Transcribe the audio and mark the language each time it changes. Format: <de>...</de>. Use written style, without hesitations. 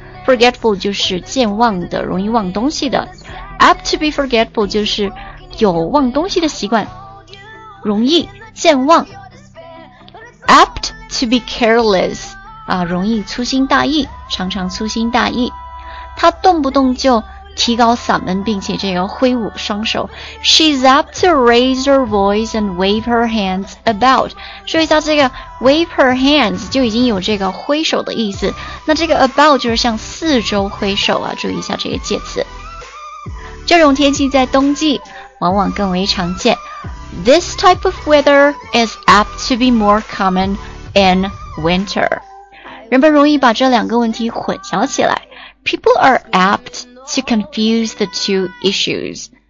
<zh>forgetful 就是健忘的，容易忘东西的。</zh> <en>apt to be forgetful</en> <zh>就是有忘东西的习惯，容易健忘。</zh> <en>apt to be careless</en> <zh>啊，容易粗心大意，常常粗心大意。他动不动就提高嗓门并且这个挥舞双手。</zh> <en>She's up to raise her voice and wave her hands about.</en> <zh>说一下这个 wave her hands 就已经有这个挥手的意思。那这个 about 就是向四周挥手啊，注意一下这个介词。这种天气在冬季往往更为常见。</zh> <en>This type of weather is apt to be more common in winter.</en> <zh>人们容易把这两个问题混淆起来。</zh> <en>People are apt to confuse the two issues.</en>